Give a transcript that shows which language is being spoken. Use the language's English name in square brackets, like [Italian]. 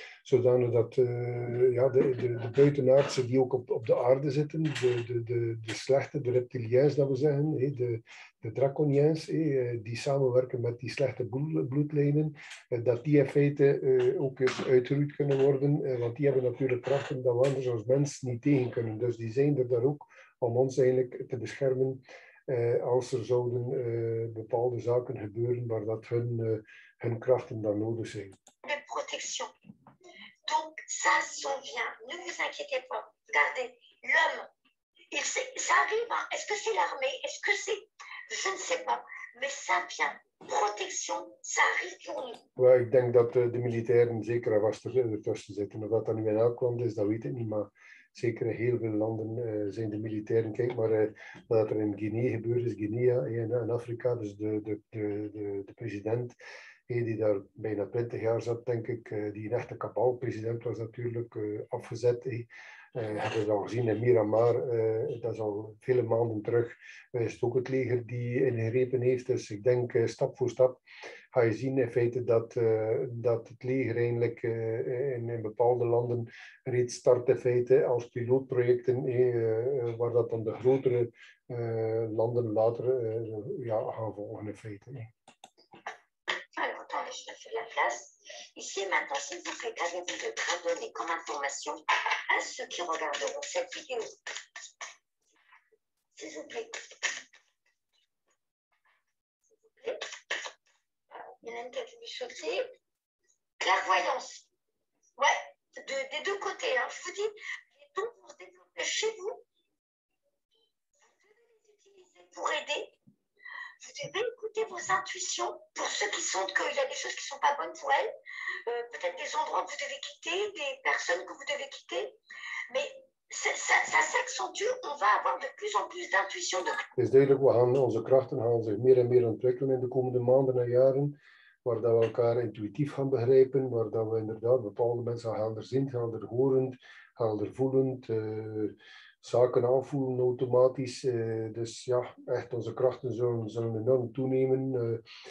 [Dutch] Zodanig dat ja, de buitenaardse die ook op de aarde zitten, de slechte, de reptiliëns, dat we zeggen, hé, de draconiëns, hé, die samenwerken met die slechte bloedlijnen, dat die in feite ook eens uitgeroeid kunnen worden. Want die hebben natuurlijk krachten dat we anders als mens niet tegen kunnen. Dus die zijn er daar ook om ons eigenlijk te beschermen. Als er zouden bepaalde zaken gebeuren waar dat hun krachten dan nodig zijn. [French] De protection. Donc, ça s'en vient. Ne vous inquiétez pas. Regardez, l'homme, ça arrive. Hein? Est-ce que c'est l'armée? Est-ce que c'est... Je ne sais pas. Mais ça vient. Protection, ça arrive pour nous. [Dutch] Ouais, ik denk dat de militairen zeker en vast ertussen zitten. Of dat dan nu in elk land is, dat weet ik niet, maar zeker in heel veel landen zijn de militairen. Kijk maar wat er in Guinea gebeurd is, Guinea in Afrika, dus de president die daar bijna 20 jaar zat, denk ik, die een echte kabaalpresident was natuurlijk afgezet. Hebben ze al gezien in Myanmar, dat is al vele maanden terug, is het ook het leger die ingrepen heeft. Dus ik denk stap voor stap ga je zien in feite dat het leger eigenlijk in bepaalde landen reeds start in feite als pilootprojecten, waar dat dan de grotere landen later ja, gaan volgen in feite. [French] Je fais la place. Ici, maintenant, s'il vous plaît, qu'avez-vous de très donné comme information à ceux qui regarderont cette vidéo? S'il vous plaît. Hélène, tu as voulu sauter. Clairvoyance. Ouais, des deux côtés. Hein. Je vous dis, les dons pour développer chez vous, les utiliser pour aider. Vous devez écouter vos intuitions pour ceux qui sentent qu'il y a des choses qui ne sont pas bonnes pour elles, peut-être des endroits que vous devez quitter, des personnes que vous devez quitter. Mais ça s'accentue, on va avoir de plus en plus d'intuitions. [Dutch] Het is duidelijk, onze krachten gaan zich meer en meer ontwikkelen in de komende maanden en jaren, waar dat we elkaar intuïtief gaan begrijpen, waar dat we inderdaad bepaalde mensen helderziend, helderhorend, heldervoelend. Zaken aanvoelen automatisch. Dus ja, echt onze krachten zullen enorm toenemen.